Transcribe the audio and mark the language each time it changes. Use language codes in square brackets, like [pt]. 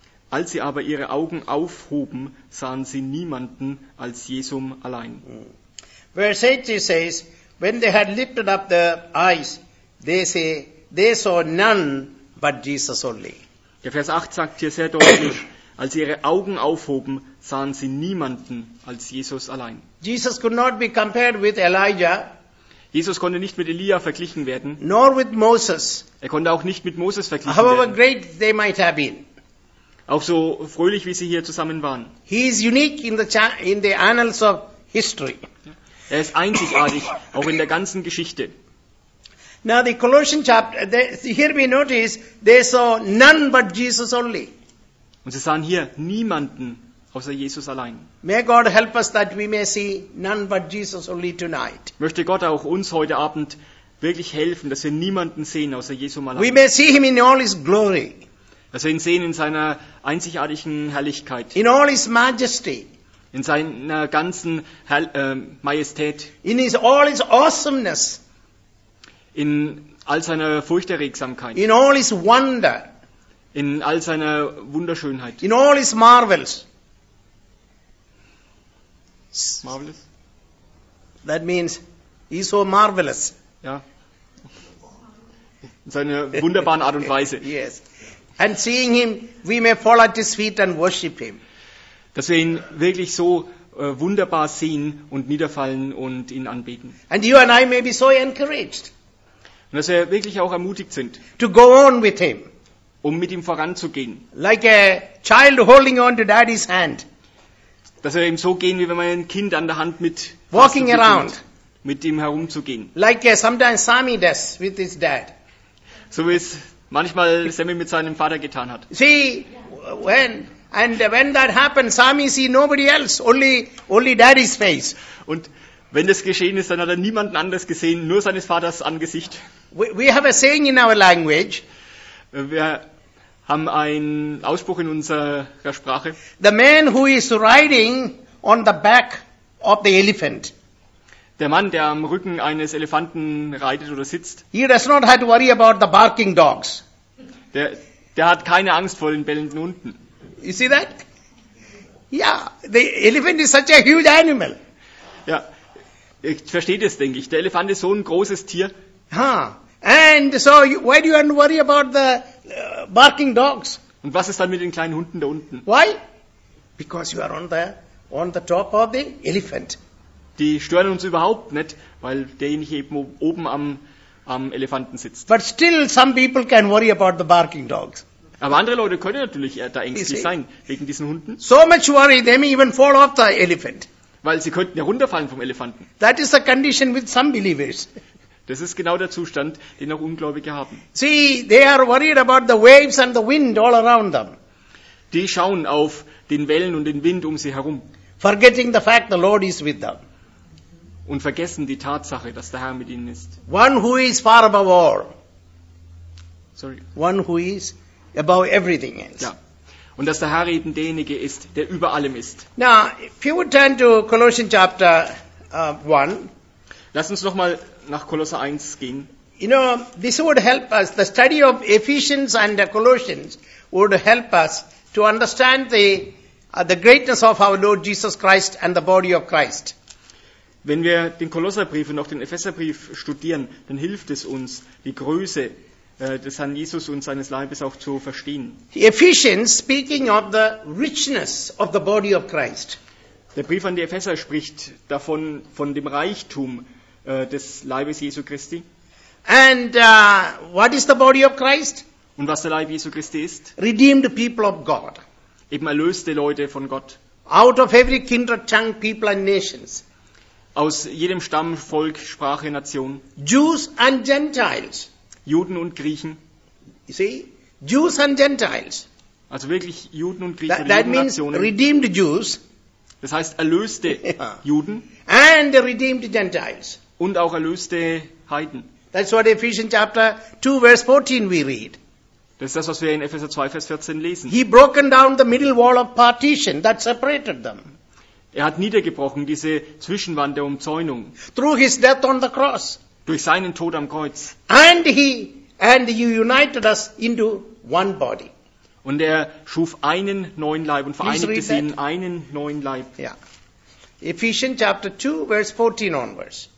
[de] Als sie aber ihre Augen aufhoben, sahen sie niemanden als Jesum allein. [en] Verse 8 says, when they had lifted up their eyes, they saw none but Jesus only. [de] Der Vers 8 sagt hier sehr deutlich, als sie ihre Augen aufhoben, sahen sie niemanden als Jesus allein. [en] Jesus could not be compared with Elijah. [de] Jesus konnte nicht mit Elia verglichen werden. [en] Nor with Moses. [de] Er konnte auch nicht mit Moses verglichen werden. [en] However great they might have been. [de] Auch so fröhlich, wie sie hier zusammen waren. [en] He is unique in the annals of history. [de] Er ist einzigartig, auch in der ganzen Geschichte. [en] Now the Colossian chapter, here we notice, they saw none but Jesus only. [de] Und sie sahen hier niemanden außer Jesus allein. [en] May God help us that we may see none but Jesus only tonight. [de] Möchte Gott auch uns heute Abend wirklich helfen, dass wir niemanden sehen außer Jesus allein. [en] We may see him in all his glory. [de] Dass wir ihn sehen in seiner einzigartigen Herrlichkeit. [en] In all his majesty. [de] In seiner ganzen Majestät. [en] In all his awesomeness. [de] In all seiner Furchterregsamkeit. [en] In all his wonder. [de] In all seiner Wunderschönheit. [en] In all his marvels. Marvelous? That means he's so marvelous. [de] Ja. In seiner wunderbaren Art und Weise. [en] Yes. And seeing him, we may fall at his feet and worship him. [de] Dass wir ihn wirklich so wunderbar sehen und niederfallen und ihn anbeten. [en] And you and I may be so encouraged. [de] Und dass wir wirklich auch ermutigt sind. [en] To go on with him. [de] Um mit ihm voranzugehen. [en] Like a child holding on to daddy's hand. [de] Dass wir ihm so gehen, wie wenn man ein Kind an der Hand mit [en] walking around. [de] Mit ihm herumzugehen. [en] Like sometimes Sammy does with his dad. [de] So wie es manchmal Sammy mit seinem Vater getan hat. [en] See, when that happens, Sammy see nobody else, only daddy's face. [de] Und wenn das geschehen ist, dann hat er niemanden anders gesehen, nur seines Vaters Angesicht. [en] We have a saying in our language. [de] Wir haben einen Ausspruch in unserer Sprache. [en] The man who is riding on the back of the elephant. [de] Der Mann, der am Rücken eines Elefanten reitet oder sitzt. [en] He does not have to worry about the barking dogs. [de] Der hat keine Angst vor den bellenden Hunden. [en] You see that? Yeah, the elephant is such a huge animal. [de] Ja, ich verstehe das, denke ich. Der Elefant ist so ein großes Tier. Ha. Huh. [en] And so, why do you have to worry about the barking dogs? [de] Und was ist dann mit den kleinen Hunden da unten? [en] Why? Because you are on the top of the elephant. [de] Die stören uns überhaupt nicht, weil derjenige eben oben am am Elefanten sitzt. [en] But still some people can worry about the barking dogs. [de] Aber andere Leute können natürlich da ängstlich sein wegen diesen Hunden. [en] So much worry they may even fall off the elephant. [de] Weil sie könnten ja runterfallen vom Elefanten. [en] That is the condition with some believers. [de] Das ist genau der Zustand, den auch Ungläubige haben. [en] See, they are worried about the waves and the wind all around them. [de] Die schauen auf den Wellen und den Wind um sie herum. [en] Forgetting the fact the Lord is with them. [de] Und vergessen die Tatsache, dass der Herr mit ihnen ist. [en] One who is far above all. Sorry. One who is above everything else. [de] Ja. Und dass der Herr eben derjenige ist, der über allem ist. [en] Now, if you would turn to Colossians chapter 1. [de] Lass uns nochmal nach Kolosser 1 gehen. [en] You know, this would help us. The study of Ephesians and Colossians would help us to understand the greatness of our Lord Jesus Christ and the body of Christ. [de] Wenn wir den Kolosserbrief und auch den Epheserbrief studieren, dann hilft es uns, die Größe des Herrn Jesus und seines Leibes auch zu verstehen. [en] Ephesians speaking of the richness of the body of Christ. [de] Der Brief an die Epheser spricht davon, von dem Reichtum des Leibes Jesu Christi. [en] And what is the body of Christ? [de] Und was der Leib Jesu Christi ist? [en] Redeemed people of God. [de] Eben erlöste Leute von Gott. [en] Out of every kindred, tongue, people and nations. [de] Aus jedem Stamm, Volk, Sprache, Nation. [en] Jews and Gentiles. [de] Juden und Griechen. [en] You see? Jews and Gentiles. [de] Also wirklich Juden und Griechen. [en] That means redeemed Jews. [de] Das heißt erlöste Juden. [en] And redeemed Gentiles. [de] Und auch erlöste Heiden. [en] That's what Ephesians chapter 2 verse 14 we read. [de] Das ist das, was wir in Epheser 2, Vers 14 lesen. [en] He broken down the middle wall of partition that separated them. [de] Er hat niedergebrochen diese Zwischenwand der Umzäunung. [en] Through his death on the cross. [de] Durch seinen Tod am Kreuz. [en] And he united us into one body. [de] Und er schuf einen neuen Leib und vereinigte sie in einen neuen Leib. [en] Yeah. Ephesians chapter 2, verse 14 onwards.